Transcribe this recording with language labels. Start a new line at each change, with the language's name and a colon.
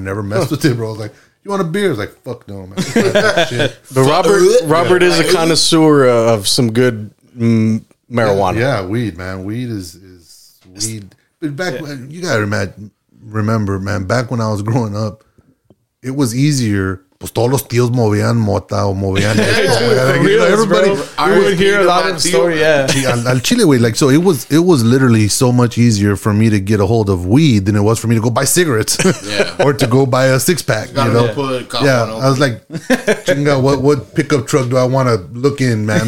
English: I never messed with it, bro. I was like, you want a beer? I was like, fuck no, man. But Robert is a connoisseur of some good marijuana. Yeah, weed, man. Weed is weed. But back when you gotta remember, man, back when I was growing up, it was easier.
Spanish: Pues todos los tíos movían mota o movían esto.
English: Everybody, bro. I would hear a lot of stories. Yeah,
Spanish: al chile, wey.
English: Like, so it was literally so much easier for me to get a hold of weed than it was for me to go buy cigarettes. Yeah, or to go buy a six pack. You know, I was like, chinga, what pickup truck do I want to look in, man?